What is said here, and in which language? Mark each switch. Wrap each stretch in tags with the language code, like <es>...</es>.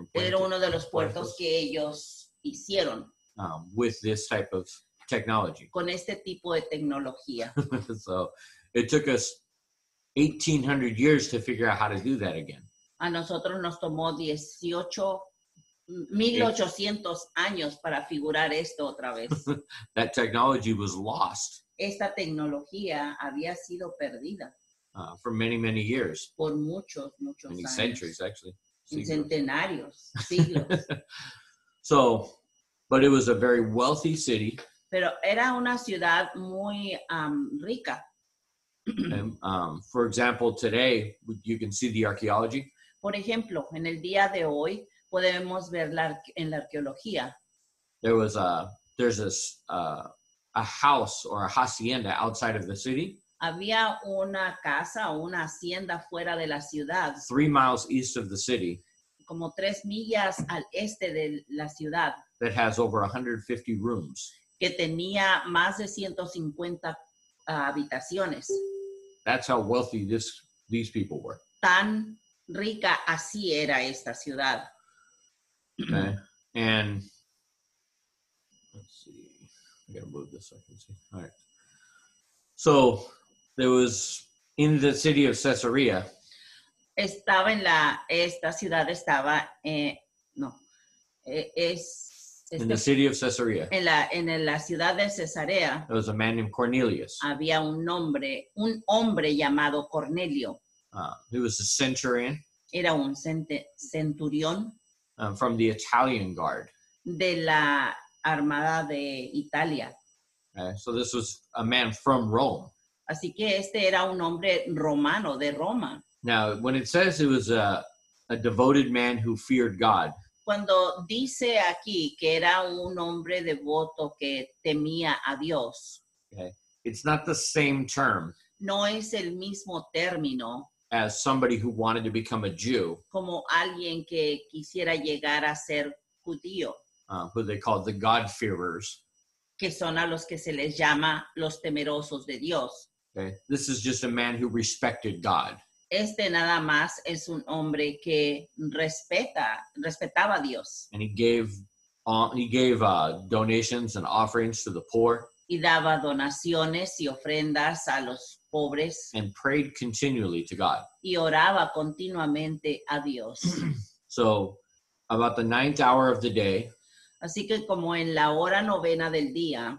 <es>Era uno de los puertos que ellos hicieron.</es> <en>With this type of technology.</en> <es>Con este tipo de tecnología.</es> <en>So it took us 1800 years to figure out how to do that again.</en> <es>A nosotros nos tomó 1800 años para figurar esto otra vez.</es> <en>That technology was lost.</en> <es>Esta tecnología había sido perdida.</es> <en>For many, many years.</en> <es>Por muchos, muchos</es> <en>many</en> <es>años.</es> <en>Centuries, actually.</en> <es>Siglos. Centenarios, siglos.</es> <en>So, but it was a very wealthy city.</en> <es>Pero era una ciudad muy rica.</es> <en>And for example, today you can see the archaeology.</en> <es>Por ejemplo, en el día de hoy podemos ver en la arqueología.</es> <en>There's a house or a hacienda outside of the city.</en> <es>Había una casa o una hacienda fuera de la ciudad.</es> <en>3 miles east of the city.</en> <es>Como 3 millas al este de la ciudad.</es> <en>That has over 150 rooms.</en> <es>Que tenía más de 150 habitaciones.</es> <en>That's how wealthy these people were.</en> <es>Tan rica así era esta ciudad.</es> <en>Okay. And let's see. I gotta move this so I can see. All right. So there was in the city of Caesarea.</en> <es>Estaba en la esta ciudad estaba no es</es> <en>este, in the city of Caesarea.</en> <es>En la ciudad de Cesarea.</es> <en>There was a man named Cornelius.</en> <es>Había un hombre llamado Cornelio.</es> <en>He was a centurion.</en> <es>Era un centurión.</es> <en>From the Italian guard.</en> <es>De la armada de Italia.</es> <en>Okay, so this was a man from Rome.</en> <es>Así que este era un hombre romano de Roma.</es> <en>Now, when it says it was a devoted man who feared God.</en> <es>Cuando dice aquí que era un hombre devoto que temía a Dios.</es> <en>Okay. It's not the same term.</en> <es>No es el mismo término.</es> <en>As somebody who wanted to become a Jew.</en> <es>Como alguien que quisiera llegar a ser judío.</es> <en>Who they call the God-fearers.</en> <es>Que son a los que se les llama los temerosos de Dios.</es> <en>Okay. This is just a man who respected God.</en> <es>Este nada más es un hombre que respetaba a Dios.</es> <en>And he gave donations and offerings to the poor.</en> <es>Y daba donaciones y ofrendas a los pobres.</es> <en>And prayed continually to God.</en> <es>Y oraba continuamente a Dios.</es> <en>So, about the ninth hour of the day.</en> <es>Así que como en la hora novena del día.</es>